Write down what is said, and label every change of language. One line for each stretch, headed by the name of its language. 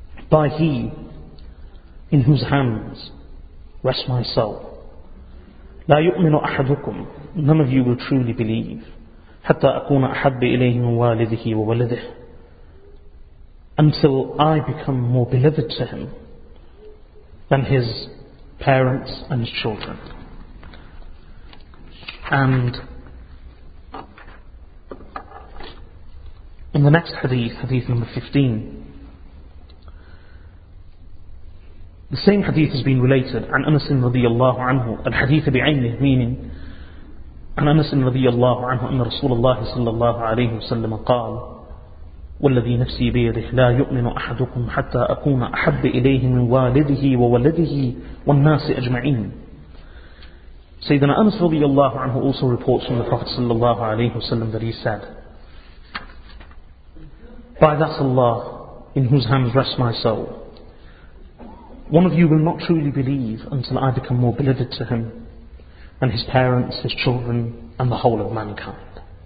English: by he in whose hands rest my soul
Arabic: لا يؤمن أحدكم
English: none of you will truly believe
Arabic: حتى أكون أحب إليه من والده وولده
English: until I become more beloved to him than his parents and his children. And in the next hadith, hadith number 15, the same hadith has been related,
Arabic: عن أنس رضي الله عنه, الحديث بعينه,
English: meaning,
Arabic: عن أنس رضي الله عنه, أن رسول الله صلى الله عليه وسلم قال, والذي نفسي بيده لا يؤمن أحدكم حتى أكون أحب إليه من والده وولده والناس أجمعين.
English: Sayyidina Anas
Arabic: رضي الله عنه
English: also reports from the Prophet
Arabic: صلى الله عليه وسلم
English: that he said, By that Allah in whose hands rest my soul, one of you will not truly believe until I become more beloved to him than his parents, his children and the whole of mankind.